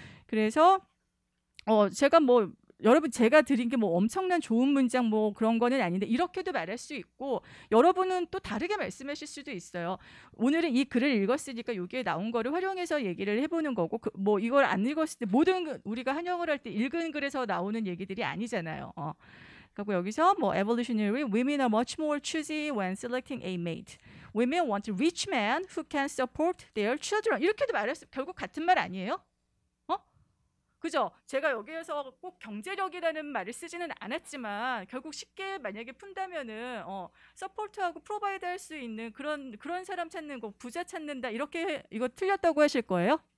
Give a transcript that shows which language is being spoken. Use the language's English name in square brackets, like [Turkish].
[Korean] 그래서 제가 뭐 여러분 제가 드린 게 뭐 엄청난 좋은 문장 뭐 그런 거는 아닌데 이렇게도 말할 수 있고 여러분은 또 다르게 말씀하실 수도 있어요. 오늘은 이 글을 읽었으니까 여기에 나온 거를 활용해서 얘기를 해보는 거고 뭐 이걸 안 읽었을 때 모든 우리가 한영을 할 때 읽은 글에서 나오는 얘기들이 아니잖아요. 그리고 여기서 뭐 [English] evolutionary women are much more choosy when selecting a mate. Women want a rich man who can support their children. [Korean] 이렇게도 말했어요. 결국 같은 말 아니에요? 그죠? 제가 여기에서 꼭 경제력이라는 말을 쓰지는 않았지만 결국 쉽게 만약에 푼다면은 서포트하고 프로바이드 할 수 있는 그런 사람 찾는 거 부자 찾는다. 이렇게 이거 틀렸다고 하실 거예요?